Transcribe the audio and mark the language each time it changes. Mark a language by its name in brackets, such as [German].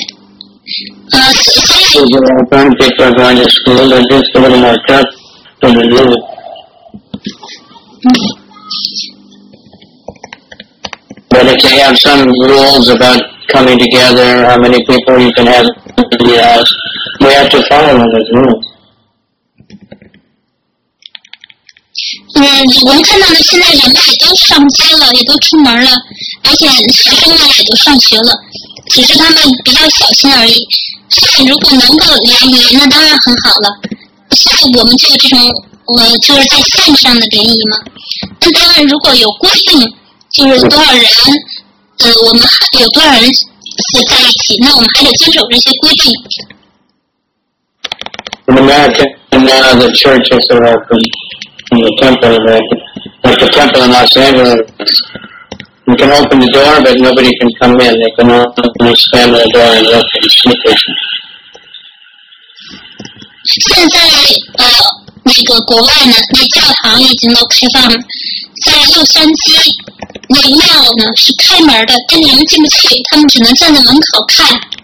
[English] People are going to school, they're just a little more tough to live. But if they have some rules about coming together, how many people you can have in the house, we have to follow those rules. [Chinese] Mm, 我们看到呢，现在人们也都上街了，也都出门了，而且学生呢也都上学了，只是他们比较小心而已。所以如果能够联谊，那当然很好了。所以我们就这种，我就是在线上的联谊嘛。那当然，如果有规定，就是多少人，我们有多少人是在一起，那我们还得遵守这些规定。 [English] In America, now the churches are open. In the temple, like the temple in Los Angeles, you can open the door, but nobody can come in. They can only stand at the door and look and see the person. [Chinese] 现在那个国外呢，那教堂已经都开放了。在洛杉矶，那庙呢是开门的，但人们进不去，他们只能站在门口看。